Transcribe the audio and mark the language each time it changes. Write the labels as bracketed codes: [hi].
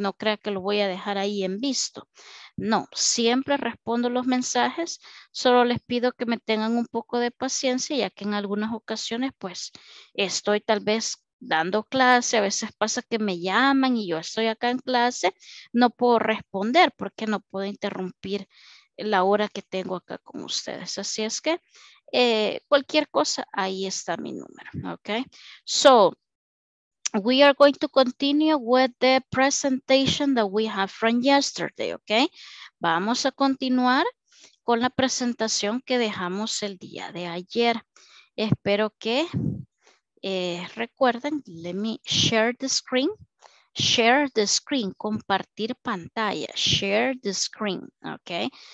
[es] No crea que lo voy a dejar ahí en visto. No, siempre respondo los mensajes, solo les pido que me tengan un poco de paciencia, ya que en algunas ocasiones pues estoy tal vez dando clase, a veces pasa que me llaman y yo estoy acá en clase, no puedo responder porque no puedo interrumpir la hora que tengo acá con ustedes. Así es que cualquier cosa, ahí está mi número, ¿ok? [en] So, we are going to continue with the presentation that we have from yesterday, okay? [es] Vamos a continuar con la presentación que dejamos el día de ayer. Espero que recuerden, [en] let me share the screen. Share the screen, [es] compartir pantalla. [en] Share the screen, okay?